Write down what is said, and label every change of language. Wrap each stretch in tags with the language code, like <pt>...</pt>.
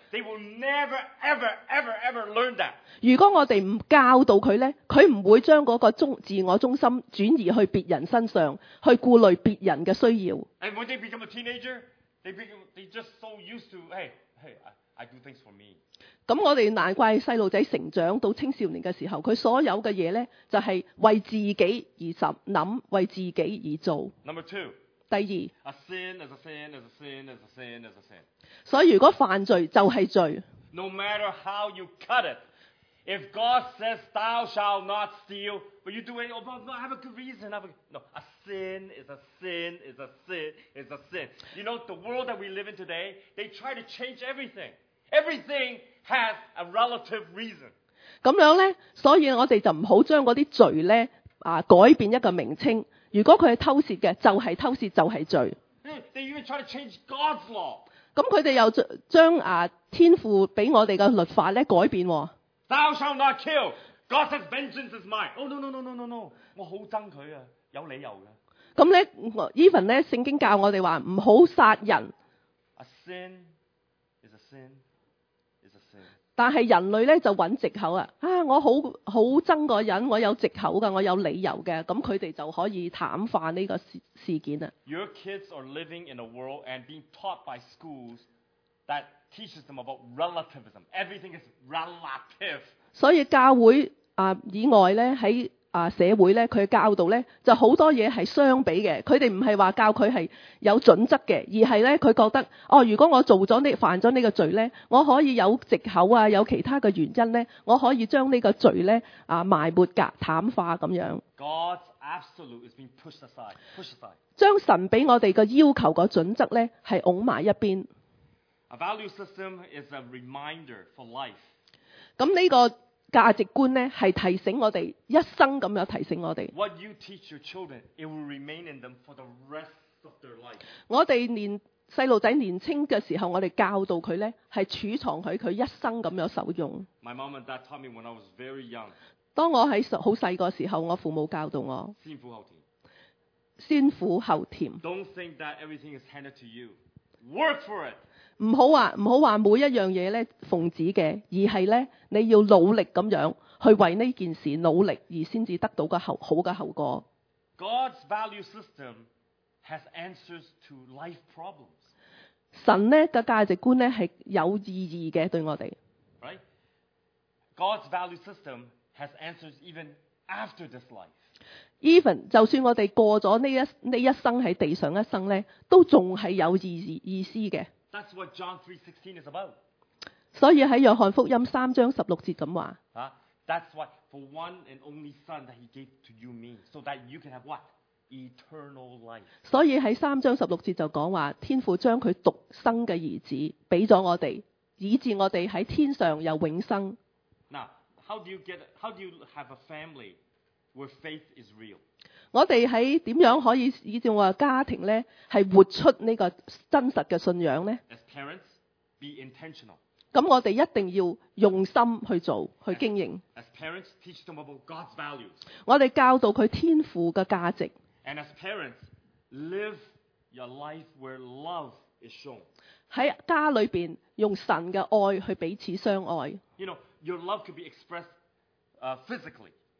<en>They will never, ever, ever, ever learn that.</en> <yue>如果我哋唔教导佢咧，佢唔会将嗰个自我中心转移去别人身上，去顾虑别人嘅需要。</yue> <en>And when they become a teenager, they just so used to hey. I do things for me.</en> <yue>咁我哋难怪细路仔成长到青少年嘅时候，佢所有嘅嘢咧就系为自己而谂，为自己而做。</yue> <en>Number two.</en> <yue>第二。</yue> <en>A sin is a sin is a sin is a sin is a sin.</en> <yue>所以如果犯罪就系罪。</yue> <en>No matter how you cut it, if God says thou shalt not steal, but you do it, oh, but I have a good reason. A sin is a sin is a sin is a sin. You know the world that we live in today, they try to change everything. Everything has a relative reason.</en> <yue>咁样咧，所以我哋就唔好将嗰啲罪咧改变一个名称。如果佢系偷窃嘅，就系偷窃就系罪。</yue> <en>They even try to change God's law.</en> <yue>咁佢哋又将天父俾我哋嘅律法咧改变。</yue> <en>Thou shalt not kill. God says vengeance is mine. Oh no no no no no no.</en> <yue>我好憎佢啊，有理由嘅。咁咧 ，even 咧，聖經教我哋話唔好殺人。</yue> <en>A sin is a sin is a sin。</en> <yue>但係人類咧就揾藉口啊！啊，我好憎個人，我有藉口噶，我有理由嘅，咁佢哋就可以淡化呢個事件啊。</yue> <en>Your kids are living in a world and being taught by schools that teaches them about relativism. Everything is relative。</en> <yue>所以教會啊以外咧喺。社會咧，佢教導咧就好多嘢係相比嘅。佢哋唔係話教佢係有準則嘅，而係咧佢覺得哦，如果我做咗呢犯咗呢個罪咧，我可以有藉口啊，有其他嘅原因咧，我可以將呢個罪咧啊埋沒噶淡化咁樣。</yue> <en>God's absolute is being pushed aside, pushed aside。</en> <yue>將神俾我哋嘅要求個準則咧係擁埋一邊。</yue> <en>A value system is a reminder for life。</en> <yue>咁呢個。價值觀咧係提醒我哋一生咁樣提醒我哋。</yue> <en>What you teach your children, it will remain in them for the rest of their life。</en> <yue>我哋年細路仔年青嘅時候，我哋教導佢咧係儲藏喺佢一生咁樣受用。</yue> <en>My mom and dad taught me when I was very young。</en> <yue>當我喺好細個時候，我父母教導我。先苦後甜。先苦後甜。</yue> <en>Don't think that everything is handed to you. Work for it。</en> <yue>唔好话每一样嘢咧奉旨嘅，而系咧你要努力咁样去为呢件事努力，而先至得到个好嘅后果。</yue> <en>God's value system has answers to life problems。</en> <yue>神咧嘅价值观咧系有意义嘅对我哋。</yue> <en>Right? God's value system has answers even after this life。</en> <yue>Even 就算我哋过咗呢一生喺地上一生咧，都仲系有意思嘅。</yue> <en>That's what John 3:16 is about.</en> <yue>所以喺約翰福音三章十六節咁話。</yue> <en>That's what for one and only son that he gave to you me, so that you can have what? Eternal life.</en> <yue>所以喺三章十六節就講話，天父將佢獨生嘅兒子俾咗我哋，以致我哋喺天上有永生。</yue> <en>Now, how do you have a family where faith is real?</en> <yue>我哋喺点样可以以照我嘅家庭咧，系活出呢个真实嘅信仰咧</yue> <en>？As parents, be intentional.</en> <yue>咁我哋一定要用心去做，去经营。</yue> <en>As parents, teach them about God's values.</en> <yue>我哋教导佢天父嘅价值。</yue> <en>And as parents, live your life where love is shown.</en> <yue>喺家里边用神嘅爱去彼此相爱。</yue> <en>You know, your love could be expressed, physically.</en>